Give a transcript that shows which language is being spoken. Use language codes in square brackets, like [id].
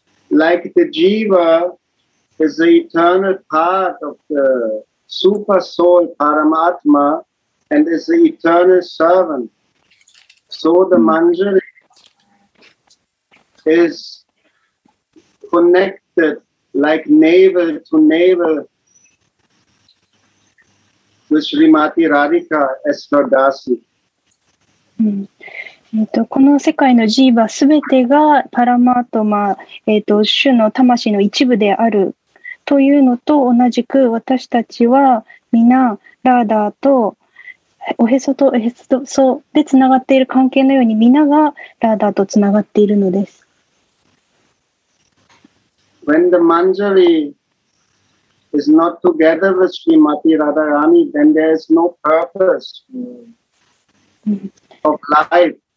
[en] Like the jiva is the eternal part of the super soul Paramatma and is the eternal servant. So the Manjari is connected like navel to navel with Srimati Radhika as her dasi. [ja] この世界のジーバすべてがパラマートマ、主の魂の一部であるというのと同じく、私たちは皆ラーダーとおへそとおへそとそうでつながっている関係のように皆がラーダーとつながっているのです。 [en] When the Manjari is not together with Srimati Radharani, then there is no purpose of life.